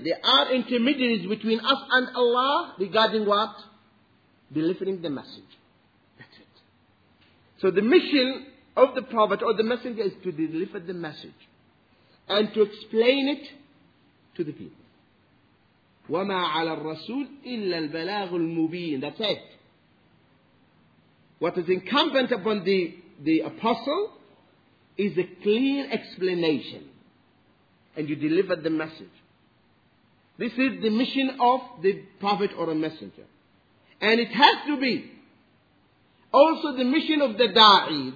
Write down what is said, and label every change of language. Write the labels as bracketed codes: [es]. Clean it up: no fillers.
[en] They are intermediaries between us and Allah regarding what? Delivering the message. That's it. So the mission of the prophet or the messenger is to deliver the message. And to explain it to the people. [ar] وَمَا عَلَى الرَّسُولِ إِلَّا الْبَلَاغُ الْمُبِينَ [en] That's it. What is incumbent upon the apostle is a clear explanation. And you deliver the message. This is the mission of the prophet or a messenger. And it has to be also the mission of the da'i.